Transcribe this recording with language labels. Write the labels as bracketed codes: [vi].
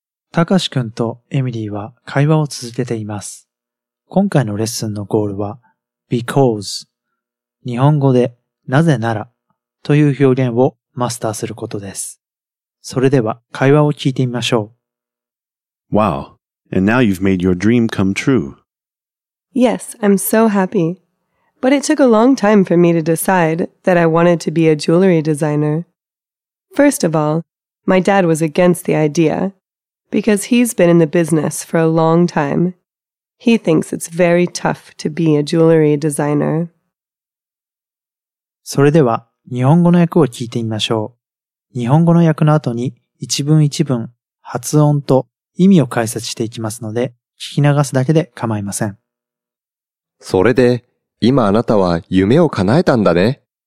[ja] たかしくんとエミリーは会話を続けています。今回のレッスンのゴールは、because、日本語でなぜならという表現をマスターすることです。それでは会話を聞いてみましょう。 [en] Wow, and now you've made your dream come true. Yes, I'm so happy. But it took a long time for me to decide that I wanted to be a jewelry designer. First of all,My dad was against the idea, because he's been in the business for a long time. He thinks it's very tough to be a jewelry designer. [ja] それでは、日本語の訳を聞いてみましょう。日本語の訳の後に、一文一文、発音と意味を解説していきますので、聞き流すだけで構いません。それで、今あなたは夢を叶えたんだね。